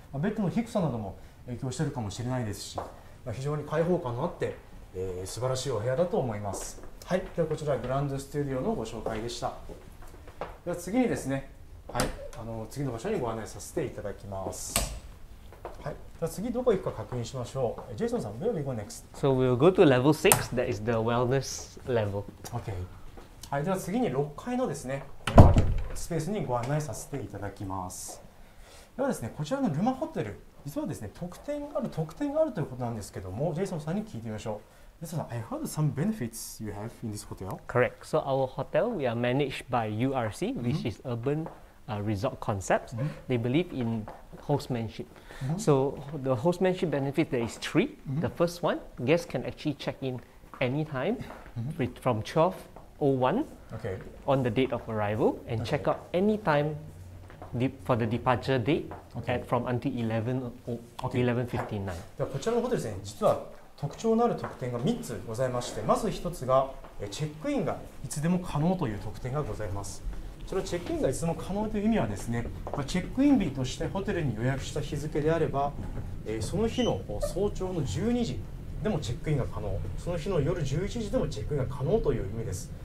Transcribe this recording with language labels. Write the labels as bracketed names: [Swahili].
[Japanese] まあ、ベッドの低さなども影響しているかもしれないですし、まあ、非常に開放感のあって、素晴らしいお部屋だと思います。はい、ではこちらグランドスタジオのご紹介でした。では次にですね、はい、次の場所にご案内させていただきます。はい、じゃあ次どこ行くか確認しましょう。 [English] ジェイソンさん、where we go next? So we'll go to level 6, that is the wellness level. Okay. [Japanese] はい、では次に6階のですね、スペースにご案内させていただきます。ではですね、こちらのルマホテル、実はですね、特典があるということなんですけども、ジェイソンさんに聞いてみましょう。 [English] ジェイソンさん、I heard some benefits you have in this hotel. Correct. So our hotel, we are managed by URC, which is Urban Resort Concepts. They believe in hostmanship. So the hostmanship benefit, there is three. The first one, guests can actually check in anytime from 12:01 on the date of arrival and check out anytime for the departure date from until 11:59. [Japanese] こちらのホテルですね、実は特徴のある特典が3つございまして、まず1つがチェックインがいつでも可能という特典がございます。それはチェックインがいつも可能という意味はですね、チェックイン日としてホテルに予約した日付であれば、その日の早朝の12時でもチェックインが可能、その日の夜11時でもチェックインが可能という意味です。